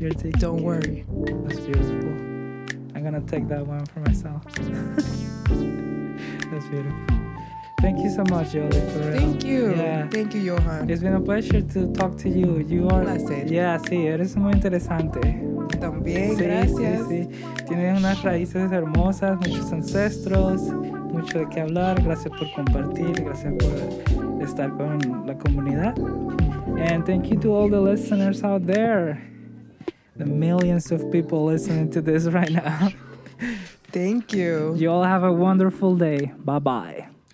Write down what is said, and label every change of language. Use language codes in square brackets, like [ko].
[en] You're taken care of. Don't worry. That's beautiful. I'm gonna take that one for myself. That's beautiful. Thank you so much, Yoly. Thank you. Yeah. Thank you, Johan. It's been a pleasure to talk to you. [es] Eres muy interesante. También, gracias. Sí. Tienes unas raíces hermosas, muchos ancestros, mucho de qué hablar. Gracias por compartir, gracias por estar con la comunidad. [en] And thank you to all the listeners out there. The millions of people listening to this right now. Thank you. You all have a wonderful day. Bye-bye.